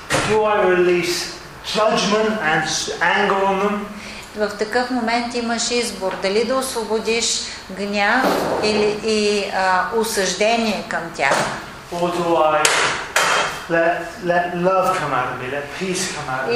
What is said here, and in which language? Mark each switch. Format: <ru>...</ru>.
<en>Do I release judgment and anger on them?</en> <bg>В такъв момент имаш избор дали да освободиш гняв или и осъждение към тях.</bg> <en>Or do I let love come out of me, let peace come out of me?</en>